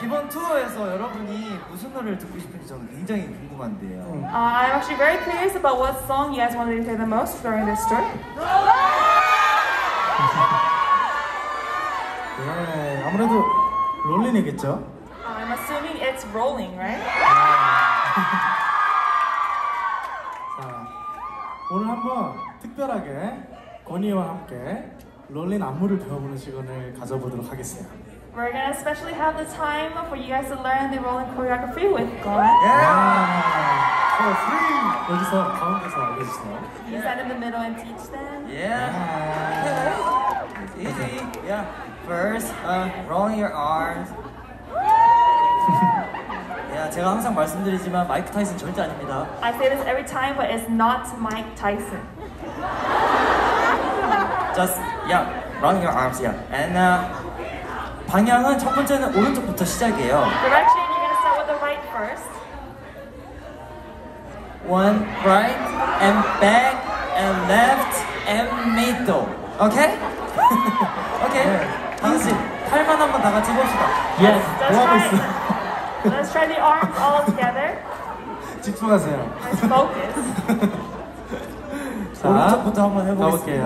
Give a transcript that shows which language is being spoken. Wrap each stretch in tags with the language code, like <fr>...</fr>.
<ko>이번 투어에서 여러분이 무슨 노래를 듣고 싶은지 저는 굉장히 궁금한데요.</ko> <en>I'm actually very curious about what song you guys wanted to hear the most during this tour.</en> <ko>네, 아무래도 롤링이겠죠?</ko> <en>I'm assuming it's rolling, right?</en> <ko>자, 오늘 한번 특별하게 건이와 함께 롤링 안무를 배워보는 시간을 가져보도록 하겠습니다.</ko> <en>We're gonna especially have the time for you guys to learn the rolling choreography with Gon. Yeah! For free!</en> <ko>여기서 가운데서 알려주세요.</ko> <en>You stand in the middle and teach them. Yeah! It's easy. Yeah. First, rolling your arms.</en> <ko>제가 항상 말씀드리지만 마이크 타이슨 절대 아닙니다.</ko> <en>I say this every time, but it's not Mike Tyson. Just, yeah, rolling your arms, yeah.</en> <ko>And, 방향은 첫 번째는 오른쪽부터 시작이에요.</ko> <en>Direction, you're gonna start with the right first. One, right, and back, and left, and middle. Okay? Okay. Yeah.</en> <ko>당신, 팔만 한번 다 같이 해봅시다.</ko> <en>Yes, let's try it. Let's try the arms all together.</en> <ko>집중하세요.</ko> <en>Let's focus.</en> <ko>자, 오른쪽부터 한번 해보겠습니다.</ko>